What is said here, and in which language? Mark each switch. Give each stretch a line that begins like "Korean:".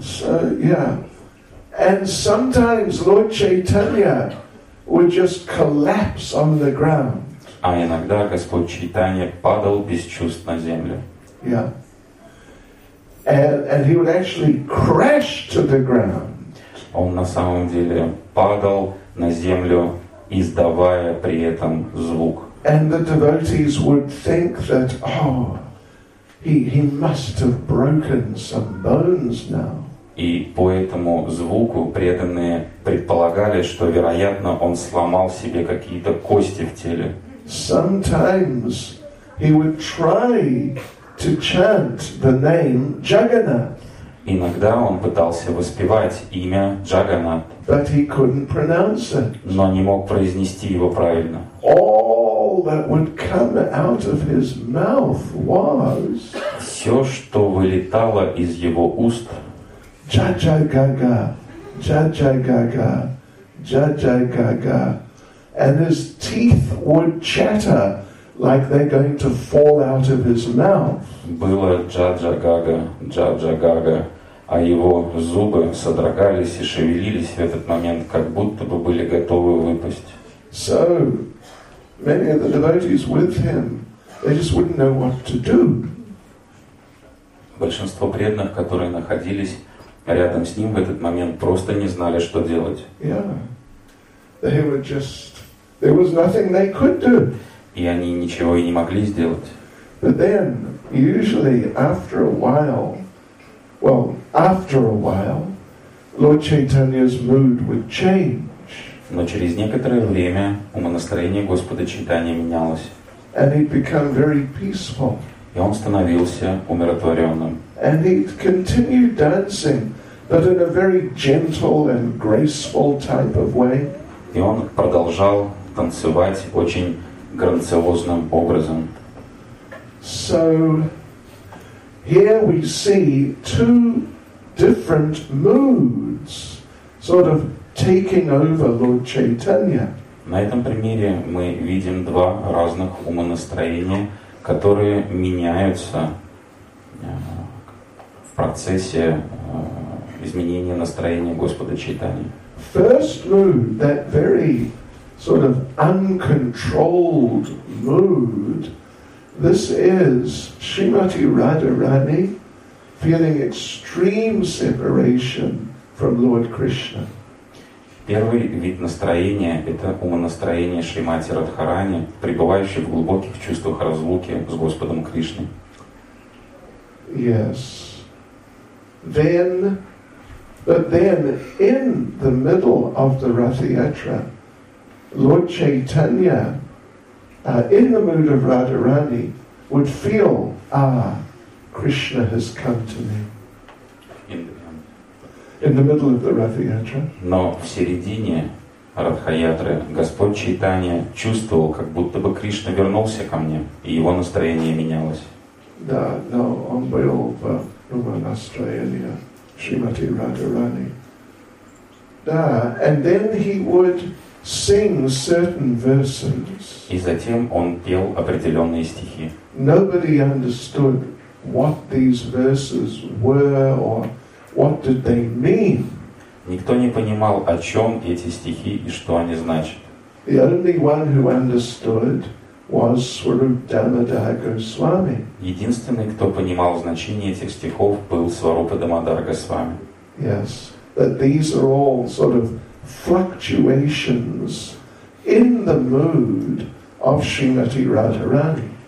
English: So, yeah. And sometimes Lord Chaitanya would just collapse on the ground.
Russian: А иногда Господь Чайтанья падал без чувств на землю.
English: Yeah. And he would actually crash to the ground.
Russian: Он на самом деле падал на землю, издавая при этом звук.
English: And the devotees would think that, oh, he must have broken some bones now.
Russian: И по этому звуку преданные предполагали, что, вероятно, он сломал себе какие-то кости в теле.
English: Sometimes he would try to chant the name Jagannath.
Russian: Иногда он пытался воспевать имя Джаганнат,
English: but he couldn't pronounce it.
Russian: Но не мог произнести его правильно.
English: All that would come out of his mouth was...
Russian: Все, что вылетало из его уст... Джа-джа-га-га, джа-джа-га-га, джа-джа-га-га.
English: And his teeth would chatter like they're going to fall out of his mouth.
Russian: Было джа-джа-га-га, джа-джа-га-га. А его зубы содрогались и шевелились в этот момент, как будто бы были готовы выпасть.
English: So, many of the devotees with him, they just wouldn't know what to do.
Russian: Большинство преданных, которые находились рядом с ним в этот момент, просто не знали, что делать.
English: Yeah. They were just... There was nothing they could do.
Russian: И они ничего и не могли сделать.
English: But then, usually, after a while... Well, after a while, Lord Chaitanya's mood would change.
Russian: Но через некоторое время умонастроение Господа Чайтаньи менялось.
English: And he'd become very peaceful.
Russian: И он становился умиротворенным.
English: And he'd continue dancing, but in a very gentle and graceful type of way.
Russian: И он продолжал танцевать очень грациозным образом.
English: So... Here we see two different moods sort of taking over Lord Chaitanya.
Russian: На этом примере мы видим два разных умонастроения, которые меняются в процессе изменения настроения Господа Чайтаньи.
English: First mood, that very sort of uncontrolled mood, this is Srimati Radharani feeling extreme separation from Lord Krishna.
Russian: Первый вид настроения — это умонастроение Шримати Радхарани, пребывающей в глубоких чувствах разлуки с Господом Кришной.
English: Yes. But then, in the middle of the Rathayatra, Lord Chaitanya, in the mood of Radharani, would feel, ah, Krishna has come to me. In the middle of the Rathayatra.
Russian: Но в середине Радхаятры Господь Чайтанья чувствовал, как будто бы Кришна вернулся ко мне, и его настроение менялось. Да, но он был в другом настроении, Шримати Радхарани. Да,
English: and then he would sing certain verses.
Russian: И затем он пел определенные стихи.
English: Nobody understood what these verses were or what did they mean.
Russian: Никто не понимал, о чем эти стихи и что они значат.
English: The only one who understood was Swarup Damodara Goswami.
Russian: Единственный, кто понимал значение этих стихов, был Сварупа Дамодара Госвами.
English: Yes, that these are all sort of fluctuations in the mood of Srimati Radharani.